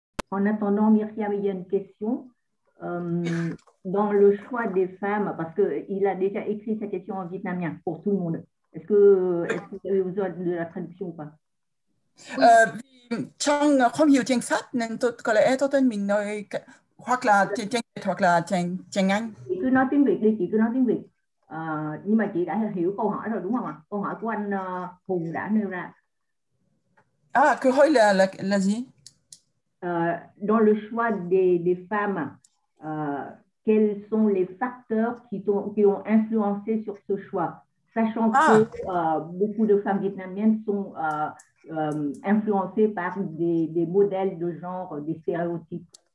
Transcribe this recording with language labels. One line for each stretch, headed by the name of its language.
French: En attendant, Myriam, il y a une question. Dans le choix des femmes, parce qu'il a déjà écrit sa question en vietnamien pour tout le monde. Est-ce que vous avez besoin de la traduction ou pas?
Vietnamese: Vì trong không hiểu tiếng Pháp nên tôi có lẽ tôi tên mình nói hoặc là tiếng Việt hoặc là tiếng Anh. Cứ nói tiếng Việt đi, chị cứ nói tiếng Việt. Nhưng mà chị đã hiểu câu hỏi rồi đúng không ạ? Câu hỏi của anh Hùng đã nêu ra. À, câu hỏi là gì?
French: Dans le choix des femmes, quels sont les facteurs qui ont influencé sur ce choix, sachant que À. beaucoup de femmes vietnamiennes sont influencées par des modèles de genre, des stéréotypes.